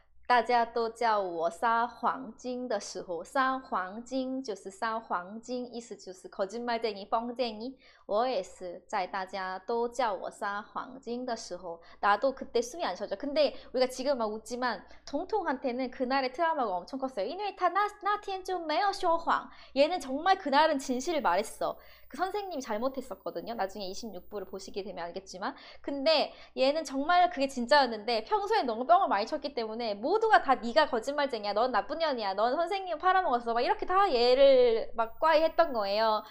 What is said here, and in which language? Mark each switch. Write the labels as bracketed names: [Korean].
[Chinese] 大家都叫我撒黄金的时候，撒黄金就是撒黄金，意思就是 [Korean] 거짓말쟁이, 뻥쟁이. [Chinese] 我也是在大家都叫我撒黄金的时候 [Korean] 나도 그때 숨이 안 쉬었죠. 근데 우리가 지금 막 웃지만 동통한테는 그날의 트라우마가 엄청 컸어요. [Chinese] 因为他那天就没有说谎. [Korean] 얘는 정말 그날은 진실을 말했어. 그 선생님이 잘못했었거든요. 나중에 26부를 보시게 되면 알겠지만. 근데 얘는 정말 그게 진짜였는데 평소에 너무 뻥을 많이 쳤기 때문에 모두가 다 네가 거짓말쟁이야. 넌 나쁜 년이야. 넌 선생님 팔아먹었어. 막 이렇게 다 얘를 막 과외했던 거예요.